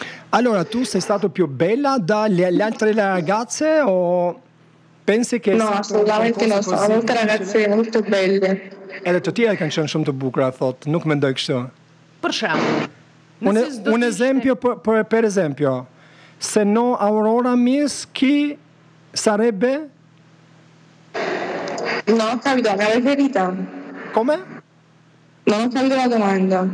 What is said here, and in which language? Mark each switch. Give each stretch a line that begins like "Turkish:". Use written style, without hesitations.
Italian: Allora, tu sei stato più bella dalle altre ragazze o pensi che... No, assolutamente no, sono molte ragazze molto belle.
Albanian: Edhe të tjera kanë qenë shumë të bukura, thotë, nuk mendoj kështu. Për shembull.
Italian: Un esempio, per esempio, se no Aurora Miss, chi sarebbe? No, ho capito, la preferita. Come? No, non ho capito la domanda.